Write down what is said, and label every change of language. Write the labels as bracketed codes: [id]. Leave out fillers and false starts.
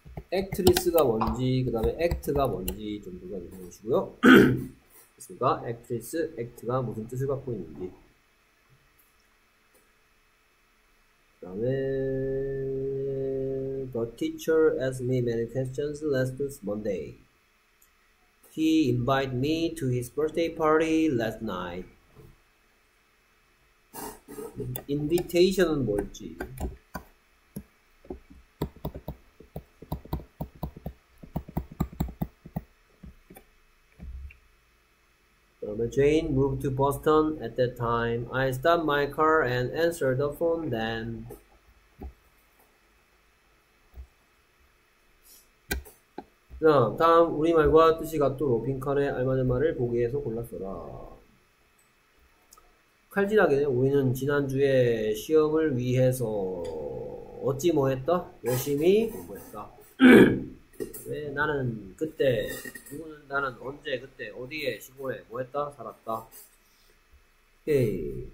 [ko] 액트리스가 뭔지, 그 다음에 액트가 뭔지 정도가 이해하시고요. 액트리스가, 액트리스, 액트가 무슨 뜻을 갖고 있는지. 그 다음에, [en] The teacher asked me many questions last Monday. He invited me to his birthday party last night. [ko] Invitation은 뭘지? 그러면 [en] Jane moved to Boston at that time. I stopped my car and answered the phone then. [ko] 자, 다음 우리말과 뜻이 같도록 빈칸에 알맞은 말을 보기에서 골랐어라. 칼질하게 우리는 지난주에 시험을 위해서 어찌 뭐했다? 열심히 공부했다. 왜 나는 그때, 누구는 나는 언제, 그때, 어디에, 시골에 뭐했다? 살았다. 오케이.